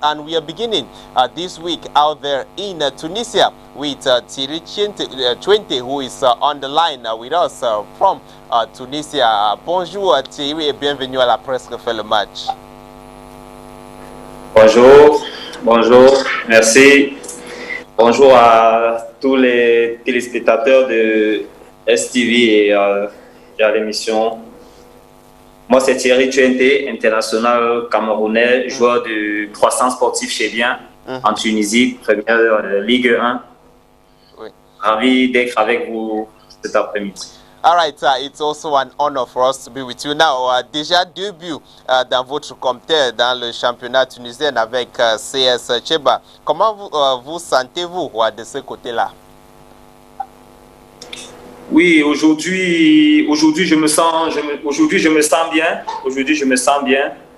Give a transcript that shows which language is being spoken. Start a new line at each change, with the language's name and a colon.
English: And we are beginning this week out there in Tunisia with Thierry Tchouente, who is on the line with us from Tunisia.
French: Bonjour Thierry et bienvenue à La Presse Refait Le Match. Bonjour, bonjour, merci. Bonjour à tous les téléspectateurs de STV et à l'émission. Moi, c'est Thierry Tchouente, international camerounais, joueur de croissance sportive chez Bien en Tunisie, première Ligue 1. Oui. Ravi d'être avec vous cet après-midi.
English: All right, it's also an honor for us to be with you now.
French: Déjà deux buts dans votre compte dans le championnat tunisien avec CS Cheba. Comment vous sentez-vous de ce côté-là? Oui, aujourd'hui je me sens bien. Aujourd'hui je me sens bien.